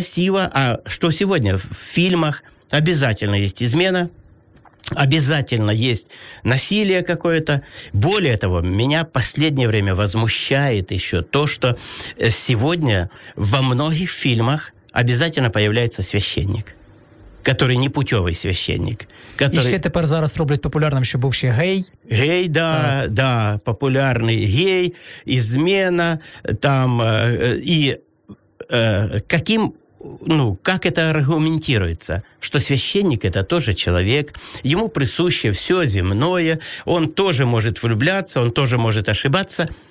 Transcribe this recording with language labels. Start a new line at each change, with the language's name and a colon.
Russian: Красиво, а что сегодня в фильмах обязательно есть измена, обязательно есть насилие какое-то. Более того, меня последнее время возмущает еще то, что сегодня во многих фильмах обязательно появляется священник, который непутевый священник. Который...
Ukrainian: И ще тепер зараз роблять популярным, що бувший гей.
Russian: Гей, да, да, популярный гей, измена, там, и каким... Ну, как это аргументируется? Что священник – это тоже человек, ему присуще все земное, он тоже может влюбляться, он тоже может ошибаться.